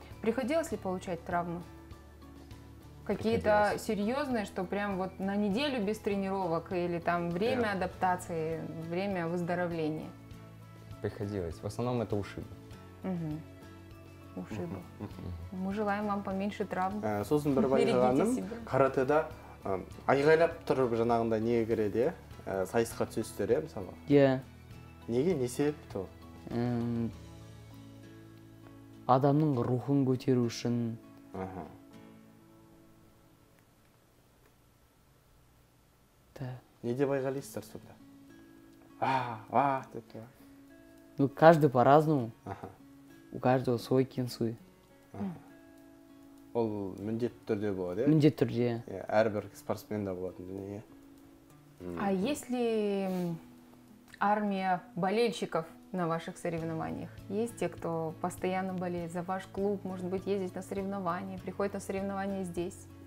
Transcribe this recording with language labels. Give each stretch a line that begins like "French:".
Russian: Приходилось ли получать травмы? Какие-то серьезные, что прям вот на неделю без тренировок или там время адаптации, время выздоровления? Приходилось. В основном это ушибы. Угу. Ушибы. Мы желаем вам поменьше травм.
Kazakh: Сосын бір байқағаным, каратэда айғайлап тұрып жаңағындай не кіреді, сайысқа түсесіздер, иә, мысалы. Иә. Неге, не себепті? Адамның рухын көтеру үшін.
Russian: Да.
Kazakh: Не деп айғайлайсыздар сонда? А, деп.
Russian: Ну, каждый по-разному. Ага. У каждого свой кинсуй.
Kazakh: Ол міндетті түрде болады, иә? Міндетті түрде. Иә, әрбір спортсмен де болатын дүние.
Russian: А есть ли армия болельщиков на ваших соревнованиях? Есть те, кто постоянно болеет за ваш клуб, может быть, ездит на соревнования, приходит на соревнования здесь?